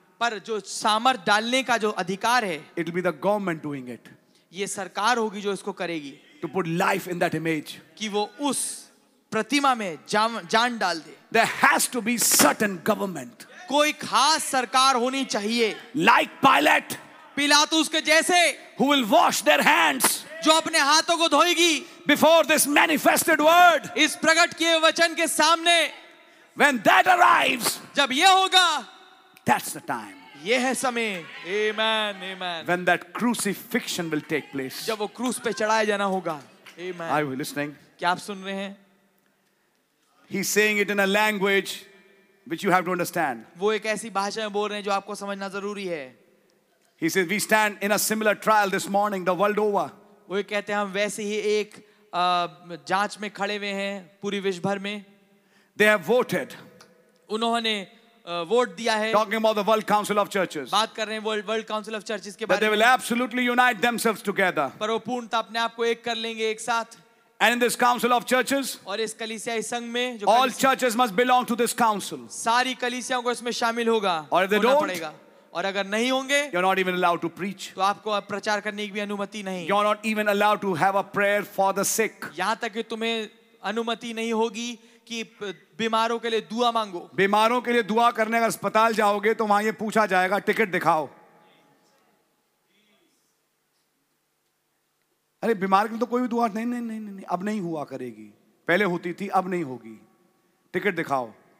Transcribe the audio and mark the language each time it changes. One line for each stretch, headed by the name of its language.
Hindi: पर जो सामर्थ डालने का जो अधिकार है
English: it will be the government doing it
Hindi: ये सरकार होगी जो इसको करेगी
English: to put life in that image
Hindi: कि वो उस प्रतिमा में जान डाल दे
English: there has to be certain government
Hindi: कोई खास सरकार होनी चाहिए
English: like Pilate
Hindi: पिलातुस के जैसे
English: who will wash their hands
Hindi: जो अपने हाथों को धोएगी
English: before this manifested word
Hindi: इस प्रकट किए वचन के सामने
English: when that arrives
Hindi: जब ये होगा
English: that's the time
Hindi: ये है समय amen amen
English: when that crucifixion will take place
Hindi: जब वो क्रूस पे चढ़ाया जाना होगा amen
English: are you listening
Hindi: क्या आप सुन रहे हैं
English: he's saying it in a language which you have to understand
Hindi: वो एक ऐसी भाषा में बोल रहे हैं जो आपको समझना जरूरी है
English: He says, "We stand in a similar trial this morning, the world over."
Hindi: वो कहते हैं हम वैसे ही एक जांच में खड़े हुए हैं पूरी विश्व भर में.
English: They have voted.
Hindi: उन्होंने वोट दिया है.
English: Talking about the World Council of Churches.
Hindi: बात कर रहे हैं World Council of Churches के बारे में.
English: That they will absolutely unite themselves together.
Hindi: पर वो पूर्णतः अपने आप को एक कर लेंगे एक साथ.
English: And in this council of churches,
Hindi: और इस कलीसियाई संघ में,
English: जो all churches must belong to this council.
Hindi: सारी कलीसियाओं को इसमें शामिल होगा.
English: Or if they don't.
Hindi: और अगर नहीं होंगे
English: you're not even allowed to preach.
Hindi: तो आपको प्रचार करने की भी अनुमति नहीं
English: you're not even allowed to have a prayer for the sick.
Hindi: यहां तक कि तुम्हें अनुमति नहीं होगी कि बीमारों के लिए दुआ मांगो बीमारों के लिए दुआ करने अगर अस्पताल जाओगे तो वहां ये पूछा जाएगा टिकट दिखाओ अरे बीमार के लिए तो कोई भी दुआ नहीं नहीं नहीं नहीं अब नहीं हुआ करेगी पहले होती थी अब नहीं होगी टिकट दिखाओ